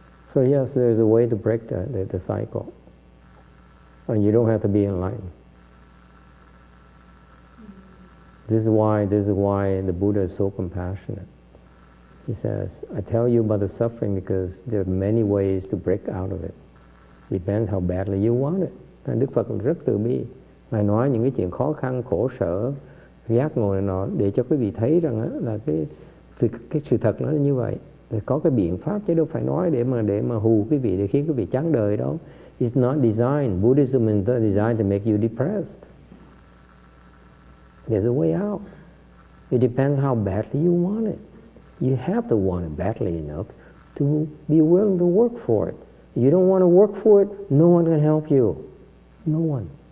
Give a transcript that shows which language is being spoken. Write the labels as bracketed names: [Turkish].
[English] So yes, there's a way to break the cycle. And you don't have to be enlightened. This is why the Buddha is so compassionate. He says, I tell you about the suffering because there are many ways to break out of it. Depends how badly you want it. And [Vietnamese] Đức Phật rất từ bi. Ngài nói những cái chuyện khó khăn, khổ sở, giác ngộ này nọ để cho quý vị thấy rằng là cái sự thật nó như vậy. Có cái biện pháp chứ đâu phải nói để mà hù quý vị, để khiến quý vị chán đời đâu. [English] It's not designed. Buddhism is not designed to make you depressed. There's a way out. It depends how badly you want it. You have to want it badly enough to be willing to work for it. If you don't want to work for it, no one can help you. No one.